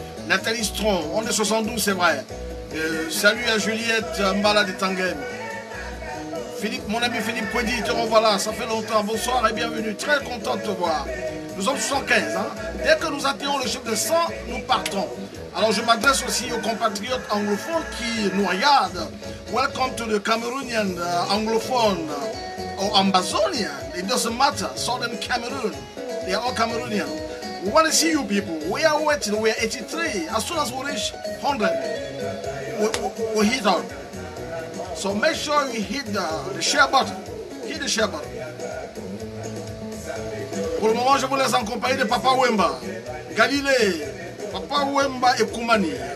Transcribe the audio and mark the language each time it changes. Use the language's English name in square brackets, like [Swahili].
[French] Nathalie Stron, on est 72, c'est vrai. Salut à Juliette Mbala de Tanguem. Philippe, mon ami Philippe Poedi, te revoilà, ça fait longtemps, bonsoir et bienvenue, très content de te voir. Nous sommes 75, hein. Dès que nous atteignons le chiffre de 100, nous partons. Alors je m'adresse aussi aux compatriotes anglophones qui nous regardent. [English] Welcome to the Cameroonian anglophone, or Ambazonian, it doesn't matter, Southern Cameroon, they are all Cameroonian. We want to see you people, we are waiting, we are 83, as soon as we reach 100, we hit up. So make sure you hit the share button. Hit the share button. [French] Pour le moment, je vous laisse en compagnie de Papa Wemba, Galilée, Papa Wemba et Koumani.